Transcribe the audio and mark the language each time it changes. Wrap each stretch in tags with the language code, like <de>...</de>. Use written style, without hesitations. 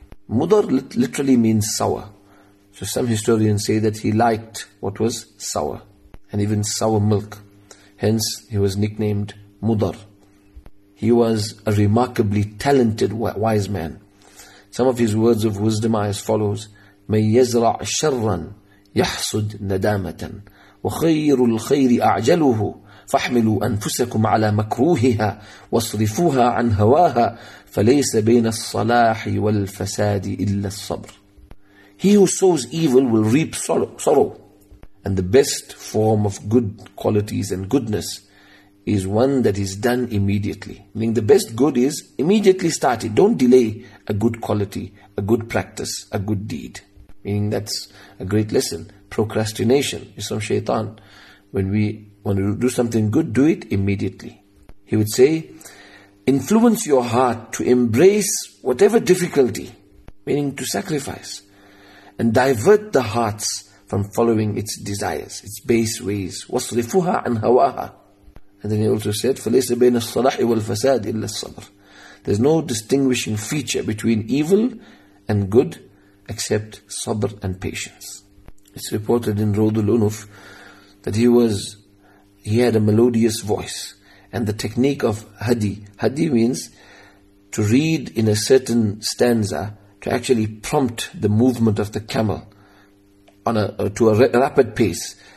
<en>Mudar literally means sour. So some historians say that he liked what was sour and even sour milk. Hence he was nicknamed Mudar. He was a remarkably talented wise man. Some of his words of wisdom are as follows:</en> <ar>مَنْ يَزْرَعْ شَرًّا يَحْصُدْ نَدَامَةً وَخَيْرُ الْخَيْرِ أَعْجَلُهُ فَاحْمِلُوا أَنفُسَكُمْ عَلَى مَكْرُوهِهَا وَاصْرِفُوهَا عَنْ هَوَاهَا فَلَيْسَ بَيْنَ الصَّلَاحِ وَالْفَسَادِ إِلَّا الصَّبْرِ.</ar> <en>He who sows evil will reap sorrow. And the best form of good qualities and goodness is one that is done immediately. Meaning the best good is immediately started. Don't delay a good quality, a good practice, a good deed. Meaning that's a great lesson. Procrastination is from shaitan. When we want to do something good, do it immediately. He would say, influence your heart to embrace whatever difficulty, meaning to sacrifice, and divert the hearts from following its desires, its base ways.</en> <ar>واصرفها عن هواها.</ar> <en>And then he also said,</en> <ar>فَلَيْسَ بَيْنَ الصَّلَاحِ وَالْفَسَادِ إِلَّا الصَّبْرِ.</ar> <en>There's no distinguishing feature between evil and good except sabr and patience. It's reported in Rawd al-Unuf that he had a melodious voice, and the technique of hadi. Hadi means to read in a certain stanza to actually prompt the movement of the camel to a rapid pace.</en>